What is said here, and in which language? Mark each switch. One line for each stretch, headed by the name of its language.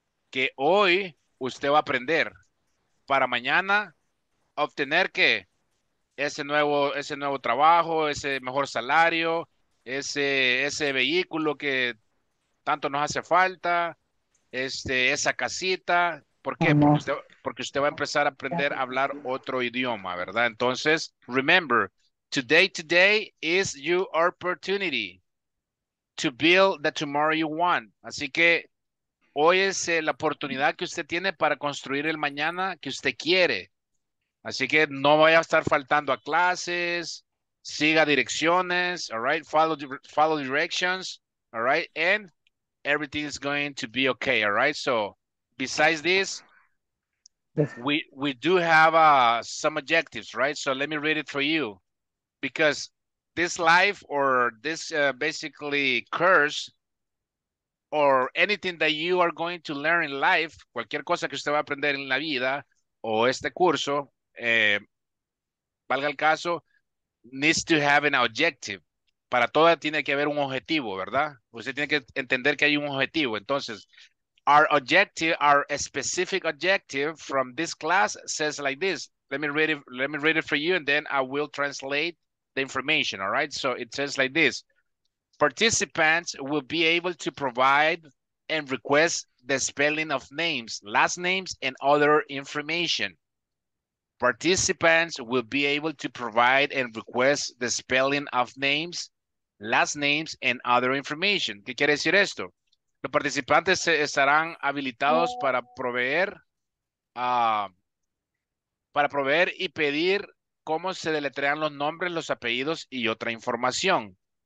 Spanish: Que hoy usted va a aprender para mañana obtener que ese nuevo trabajo, ese mejor salario, ese vehículo que tanto nos hace falta, esa casita. ¿Por qué? Porque usted va a empezar a aprender a hablar otro idioma, ¿verdad?
English: Entonces, remember, today is your opportunity to build the tomorrow you want.
Spanish: Así que hoy es la oportunidad que usted tiene para construir el mañana que usted quiere. Así que no vaya a estar faltando a clases, siga direcciones,
English: all right? Follow directions, all right? And everything is going to be okay, all right? So, besides this, we do have some objectives, right? So let me read it for you. Because this life or this basically curse or anything that you are going to learn in life,
Spanish: cualquier cosa que usted va a aprender en la vida o este curso, valga el caso,
English: needs to have an objective.
Spanish: Para todo tiene que haber un objetivo, ¿verdad? Usted tiene que entender que hay un objetivo.
English: Entonces, our specific objective from this class says like this. Let me read it for you, and then I will translate the information, all right? So it says like this. Participants will be able to provide and request the spelling of names, last names, and other information. Participants will be able to provide and request the spelling of names, last names, and other information.
Spanish: ¿Qué quiere decir esto? Los participantes estarán habilitados para proveer y pedir cómo se deletrean los nombres, los apellidos y otra información.